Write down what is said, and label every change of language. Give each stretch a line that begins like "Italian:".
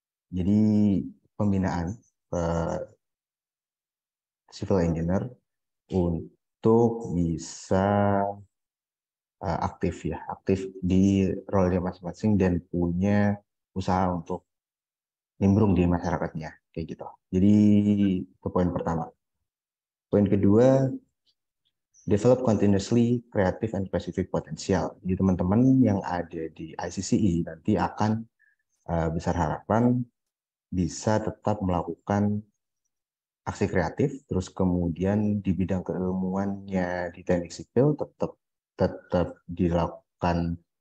Indonesian: Jadi pembinaan civil engineer untuk bisa aktif ya, aktif di role-nya masing-masing dan punya usaha untuk nimbrung di masyarakatnya, kayak gitu. Jadi itu poin pertama. Poin kedua,
English: develop continuously creative and specific potential.
Indonesian: Jadi teman-teman yang ada di ICCE nanti akan besar harapan bisa tetap melakukan aksi kreatif, terus kemudian di bidang keilmuannya di teknik sipil tetap tetap dilakukan.